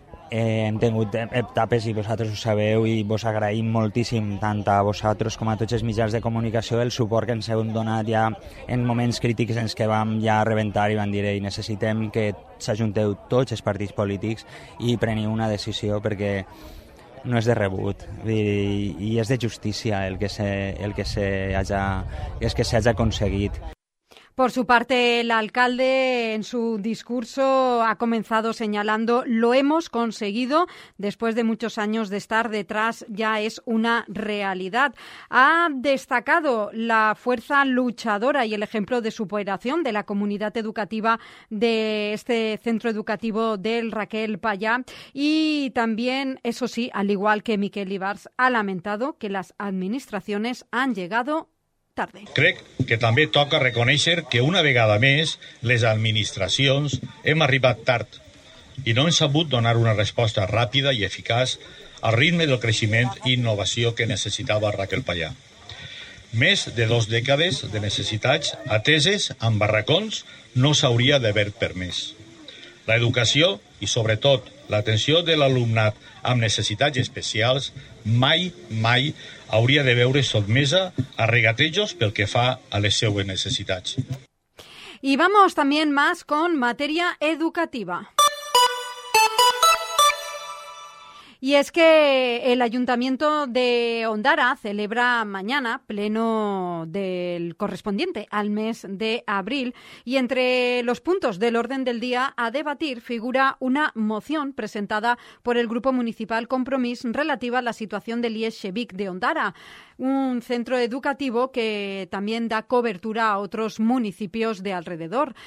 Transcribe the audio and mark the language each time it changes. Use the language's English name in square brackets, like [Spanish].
[Catalan] hem tingut etapes i vosaltres ho sabeu i vos agraïm moltíssim tant a vosaltres com a tots els mitjans de comunicació el suport que ens heu donat ja en moments crítics en què vam ja rebentar i vam dir i necessitem que s'ajunteu tots els partits polítics i preniu una decisió perquè no és de rebut i és de justícia el que s'hagi aconseguit. [Spanish] Por su parte, el alcalde en su discurso ha comenzado señalando: lo hemos conseguido después de muchos años de estar detrás, ya es una realidad. Ha destacado la fuerza luchadora y el ejemplo de superación de la comunidad educativa de este centro educativo del Raquel Payá y también, eso sí, al igual que Miquel Ibarz, ha lamentado que las administraciones han llegado tarde. [Catalan] Crec que també toca reconèixer que una vegada més les administracions hem arribat tard i no hem sabut donar una resposta ràpida i eficaç al ritme del creixement i innovació que necessitava Raquel Payà. Més de dues dècades de necessitats ateses en barracons no s'hauria d'haver permès. L'educació i, sobretot, l'atenció de l'alumnat amb necessitats especials mai hauria de veure sotmesa a regatejos pel que fa a les seues necessitats. [Spanish] I vamos también más con materia educativa. Y es que el Ayuntamiento de Ondara celebra mañana pleno del correspondiente al mes de abril y entre los puntos del orden del día a debatir figura una moción presentada por el Grupo Municipal Compromís relativa a la situación del IES Xevic de Ondara, un centro educativo que también da cobertura a otros municipios de alrededor.